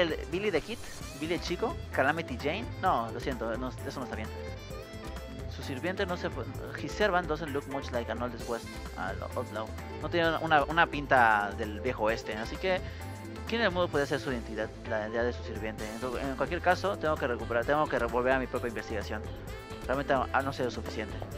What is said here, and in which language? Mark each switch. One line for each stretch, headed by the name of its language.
Spanish: Billy de Kid, Billy el chico, Calamity Jane. No, lo siento, no, eso no está bien. Su sirviente no se fue.
English: His servant doesn't look much like an oldest west.
Spanish: No tiene una pinta del viejo oeste, así que. ¿Quién en el mundo puede ser su identidad? La identidad de su sirviente. En cualquier caso, tengo que volver a mi propia investigación. Realmente no ha sido suficiente.